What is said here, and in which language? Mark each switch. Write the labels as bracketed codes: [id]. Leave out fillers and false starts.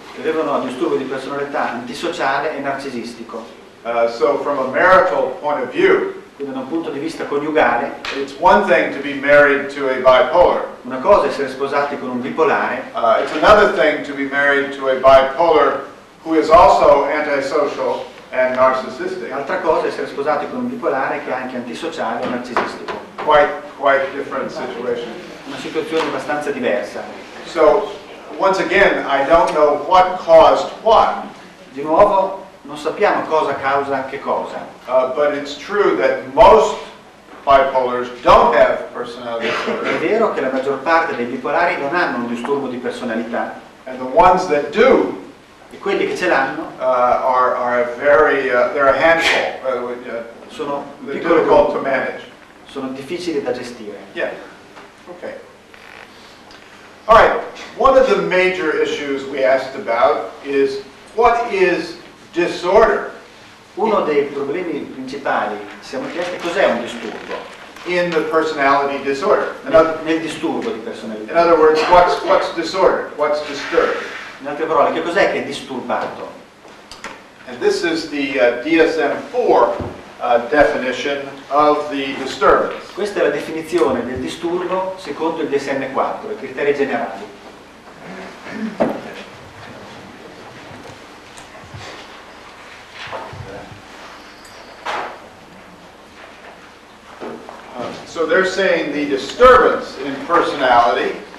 [it] Avevano un disturbo di personalità antisociale e narcisistico. [en] So from a marital point of view, [it] quindi da un punto di vista coniugale, [en] it's one thing to be married to a bipolar. [it] Una cosa è essere sposati con un bipolare. [en] It's another thing to be married to a bipolar who is also antisocial and narcissistic. [it] Altra cosa è essere sposati con un bipolare che è anche antisociale e narcisistico. [en] Quite different situation. [it] Una situazione abbastanza diversa. [en] So, once again, I don't know what caused what. [it] Di nuovo, non sappiamo cosa causa che cosa. [en] But it's true that most bipolars don't have personality disorder. [it] È vero che la maggior parte dei bipolari non hanno un disturbo di personalità. [en] And the ones that do, [it] e quelli che ce l'hanno, [en] they're a handful. [it] Sono [en] difficult to manage. [it] Sono difficili da gestire. [en] Yeah. Okay. All right. One of the major issues we asked about is what is disorder. [it] Uno dei problemi principali siamo chiesti cos'è un disturbo. [en] In the personality disorder. [it] Nel disturbo di personalità. [en] In other words, what's disorder? What's disturbed? [it] In altre parole, che cos'è che è disturbato? [en] And this is the DSM-4 definition of the disturbance. [it] Questa è la definizione del disturbo secondo il DSM-4, i criteri generali. [en] So they're saying the disturbance in personality,